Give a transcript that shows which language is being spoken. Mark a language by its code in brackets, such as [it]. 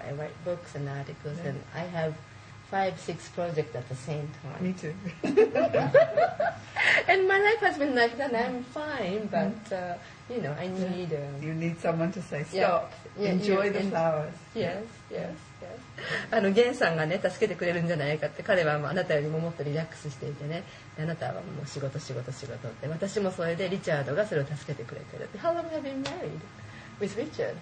[en] I write books and articles.、Yeah. And I have 5-6 projects at the same time. Me too. And my life has been like that. I'm fine, but...、You know, I need... You need someone to say, stop, yeah, enjoy the flowers. Yes. [ja] あの、ゲンさんがね、助けてくれるんじゃないかって、彼はもうあなたよりももっとリラックスしていてね、あなたはもう仕事って、私もそれでリチャードがそれを助けてくれてる。 [en] How long have you been married with Richard?